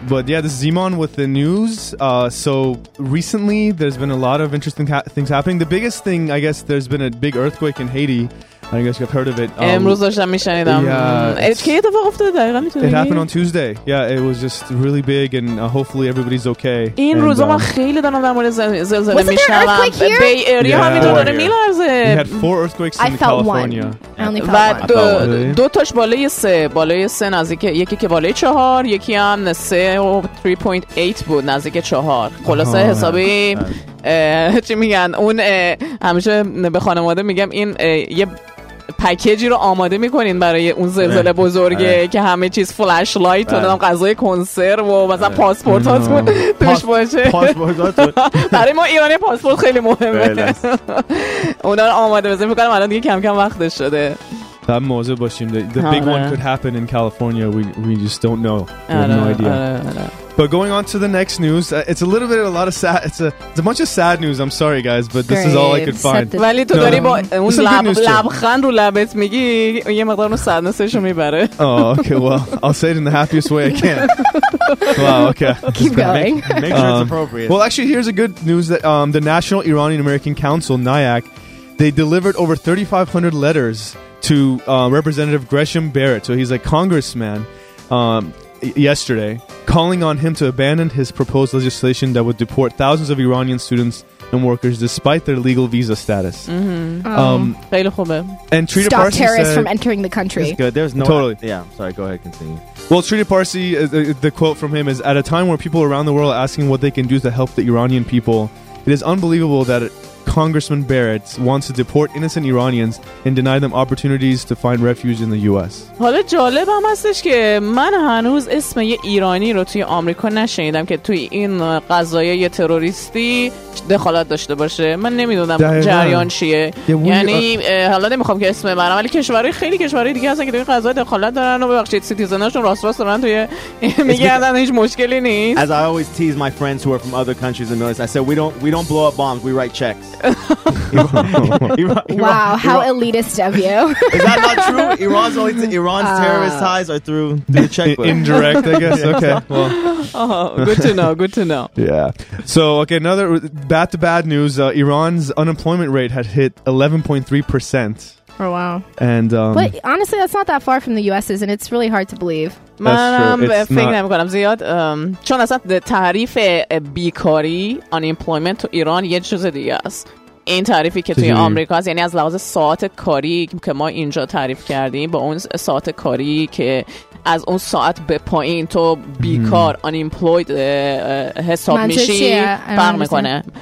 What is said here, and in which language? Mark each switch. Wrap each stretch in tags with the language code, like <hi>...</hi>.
<en>But yeah, this is Zeman with the news. So recently, there's been a lot of interesting things happening. The biggest thing, I guess, there's been a big earthquake in Haiti. I guess you've heard of it. It happened on Tuesday. Yeah, it was just really big, and hopefully everybody's okay.</en> <fa>In روزها من خیلی دارم در مورد زلزله میشنوم.</fa> <en>Was there an earthquake here?</en> <fa>Bay Area همینطور میلرزه.</fa> <en>We had four earthquakes in California. I felt one.</en> <fa>دو تاش بالای سه نزدیک یکی که بالای چهار یکی هم 3.8 بود نزدیک چهار. خلاصه حسابی چی میگن اون همیشه به خانواده میگم این یه پکیجی رو آماده میکنین برای اون زلزله بزرگه که همه چیز فلش لایت و نام غذای کنسرو و مثلا پاسپورت هاتون توش باشه. برای ما ایرانی پاسپورت خیلی مهمه. اونا رو آماده بزنیم. میکنم الان دیگه کم کم وقتش شده. تام موضوع باشیم.</fa> <en>The big one could happen in California. We just don't know. We have no idea. But going on to the next news, it's a little bit, a lot of sad. It's a bunch of sad news. I'm sorry, guys, but this is all I could find.</en> <fa>ولی تو داری با اون لبخند رو لبت میگی یه مقدار اون سادنسش رو میبره.</fa> <en>Oh, okay. Well, I'll say it in the happiest way I can. Wow. Okay. Keep going. Make sure it's appropriate. Well, actually, here's a good news that the National Iranian American Council (NIAC) they delivered over 3,500 letters to Representative Gresham Barrett. So he's a congressman. Yesterday, calling on him to abandon his proposed legislation that would deport thousands of Iranian students and workers despite their legal visa status.</en> <fa>خیلی خوبه.</fa> <en>And Trita Stop Parsi terrorists said, from entering the country. It's good. There's no totally. Sorry. Go ahead. Continue. Well, Trita Parsi, the quote from him is: "At a time where people around the world are asking what they can do to help the Iranian people, it is unbelievable that Congressman Barrett wants to deport innocent Iranians and deny them opportunities to find refuge in the U.S."</en> <fa>حالا جالب هم هستش که من هنوز اسم یه ایرانی رو توی آمریکا نشنیدم که توی این قضایای تروریستی دخالت داشته باشه. من نمیدونم جریان چیه. یعنی حالا نمیخوام که اسم برم، ولی کشورهای خیلی کشورهای دیگه هستن که توی قضایای دخالت دارن و ببخشید سیتیزنشون راست راست دارن توی میگن هیچ مشکلی نیست.</fa> <en>As I always tease my friends who are from other countries and military, I said we don't blow up bombs, we write checks. Wow, how elitist of you. Is that not true? Iran's terrorist ties are through the checkbook. Indirect, I guess. Okay. Well. Good to know. Yeah. So, okay, another bad to bad news. Iran's unemployment rate had hit 11.3%. Oh, wow. And but honestly, that's not that far from the U.S.'s, and it's really hard to believe.</en> <fa>منم فکر نمی کنم زیاد چون اصلا تعریف بیکاری unemployment تو ایران یه چیز دیگه است. این تعریفی که توی آمریکا هست، یعنی از لحاظ ساعت کاری که ما اینجا تعریف کردیم با اون ساعت کاری که از اون ساعت به پایین تو بیکار unemployed حساب میشی فرق میکنه.</fa>